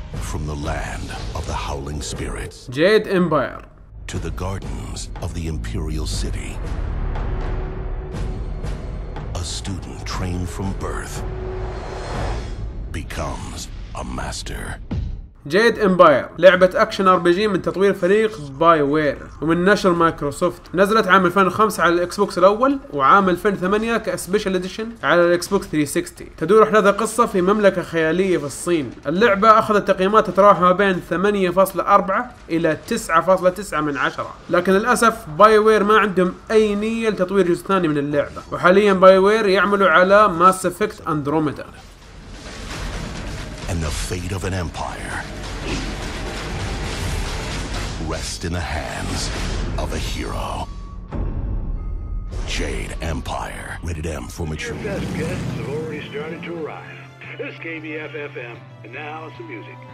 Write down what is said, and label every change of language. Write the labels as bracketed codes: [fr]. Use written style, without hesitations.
[en] From the land of the howling spirits. Jade Empire. To the gardens of the Imperial City. A student trained from birth becomes a master. [ar] جيد امباير لعبة اكشن ار بي جي من تطوير فريق باي وير ومن نشر مايكروسوفت. نزلت عام 2005 على الاكس بوكس الاول، وعام 2008 كسبيشال اديشن على الاكس بوكس 360. تدور احداث القصة في مملكة خيالية في الصين. اللعبة اخذت تقييمات تتراوح ما بين 8.4 الى 9.9 من 10، لكن للاسف باي وير ما عندهم اي نية لتطوير جزء ثاني من اللعبة، وحاليا باي وير يعملوا على ماس افكت اندروميدا. [en] And the fate of an empire rests in the hands of a hero. Jade Empire, rated M for mature. Your best guests have already started to arrive. It's KBF FM, and now some music.